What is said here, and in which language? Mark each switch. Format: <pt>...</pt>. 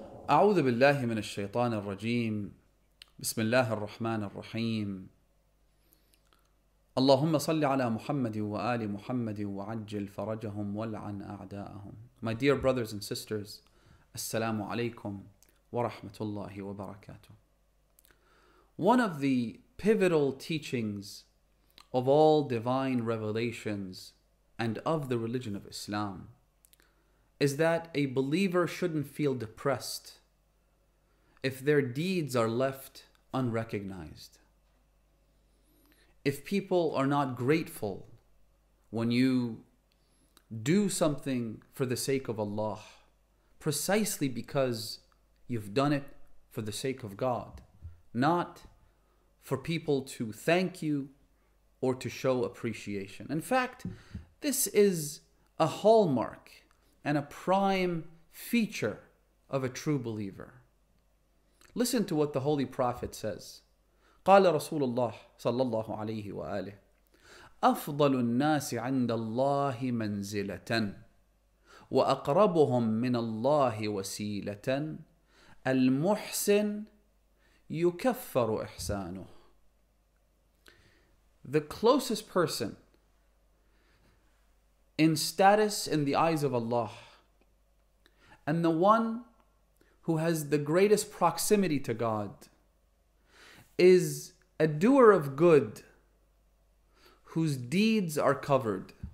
<ar>أعوذ بالله من الشيطان الرجيم بسم الله الرحمن الرحيم اللهم صل على محمد وآل محمد وعجل فرجهم ولعن أعداءهم.</ar> <en>My dear brothers and sisters,</en> <ar>السلام عليكم ورحمة الله وبركاته.</ar> <en>One of the pivotal teachings of all divine revelations and of the religion of Islam is that a believer shouldn't feel depressed if their deeds are left unrecognized. If people are not grateful when you do something for the sake of Allah, precisely because you've done it for the sake of God, not for people to thank you or to show appreciation. In fact, this is a hallmark and a prime feature of a true believer. Listen to what the Holy Prophet says.</en> <ar>قال رسول الله صلى الله عليه وآله أفضل الناس عند الله منزلة وأقربهم من الله وسيلة المحسن يكفر إحسانه.</ar> <en>The closest person in status in the eyes of Allah, and the one who has the greatest proximity to God, is a doer of good whose deeds are covered.</en>